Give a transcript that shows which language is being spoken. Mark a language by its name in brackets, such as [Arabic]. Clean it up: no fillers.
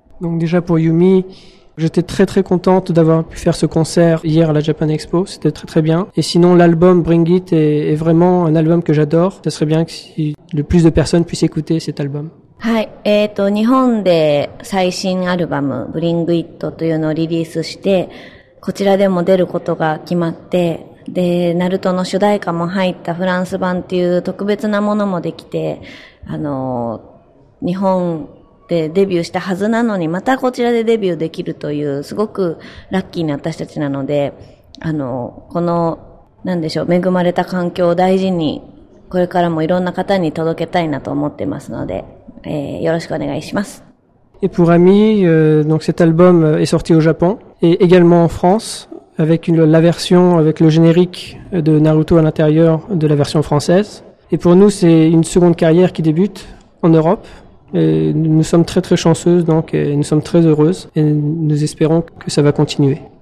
[French] Donc déjà pour Yumi, j'étais très très contente d'avoir pu faire ce concert hier à la Japan Expo. C'était très très bien. Et sinon, l'album Bring It est vraiment un album que j'adore. Ça serait bien que si le plus de personnes puissent écouter cet album. [Japanese] はい、日本で最新アルバム Bring It というのをリリースして、こちらでも出ることが決まって。で、ナルトの主題歌も入ったフランス版っていう特別なものもできて、日本でデビューしたはずなのに、またこちらでデビューできるという、すごくラッキーな私たちなので、この、なんでしょう、恵まれた環境を大事に、これからもいろんな方に届けたいなと思ってますので、よろしくお願いします。 [French] Et pour Ami, donc cet album est sorti au Japon, et également en France. Avec la version, avec le générique de Naruto à l'intérieur de la version française. Et pour nous, c'est une seconde carrière qui débute en Europe. Et nous sommes très très chanceuses, donc nous sommes très heureuses et nous espérons que ça va continuer.